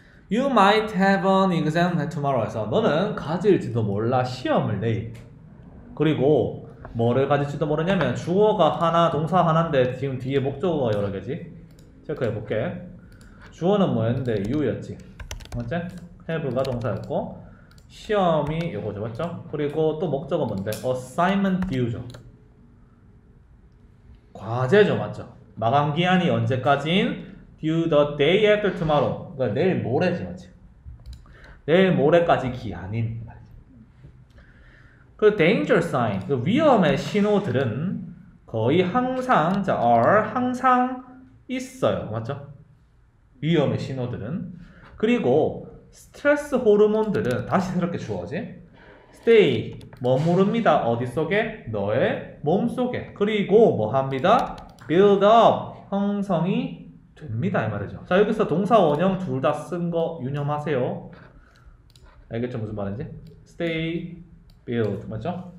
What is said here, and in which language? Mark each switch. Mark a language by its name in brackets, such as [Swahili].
[English] You might have an exam tomorrow. [Korean] 해서 너는 가질지도 몰라 시험을 내일. 그리고 뭐를 가질지도 모르냐면 주어가 하나, 동사 하나인데 지금 뒤에 목적어가 여러 개지. 체크해 볼게. 주어는 뭐였는데 you였지. 맞지? have가 동사였고 시험이 요거죠. 맞죠? 그리고 또 목적어 뭔데? assignment due죠. 과제죠. 맞죠? 마감 기한이 언제까지인? [English] due the day after tomorrow. [Korean] 그러니까 내일 모레지. 맞지? 내일 모레까지 기한인. 그 danger sign, 그 위험의 신호들은 거의 항상 자, are 항상 있어요. 맞죠? 위험의 신호들은. 그리고 스트레스 호르몬들은 다시 새롭게 주어지. stay, 머무릅니다. 어디 속에? 너의 몸 속에. 그리고 뭐 합니다? build up, 형성이 됩니다. 이 말이죠. 자, 여기서 동사 원형 둘 다 쓴 거 유념하세요. 알겠죠? 무슨 말인지? stay, build, 맞죠?